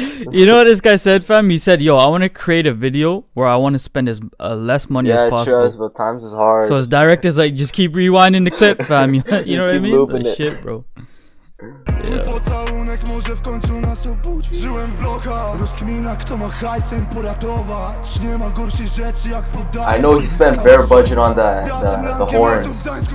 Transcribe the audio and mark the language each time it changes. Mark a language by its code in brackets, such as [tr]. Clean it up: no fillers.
[en] You know what this guy said, fam? He said, yo, I want to create a video where I want to spend as less money as possible. Yeah, trust, but times is hard. So his director's like, just keep rewinding the clip, fam. You know what I mean? Just keep looping it. Shit, bro. [pl] Pocałunek może w końcu nas obudzi. Żyłem w blokach. Rozkmina, kto ma hajsem poratować. Nie ma gorszej rzeczy jak podać. [en] I know he spent bare budget on the horns.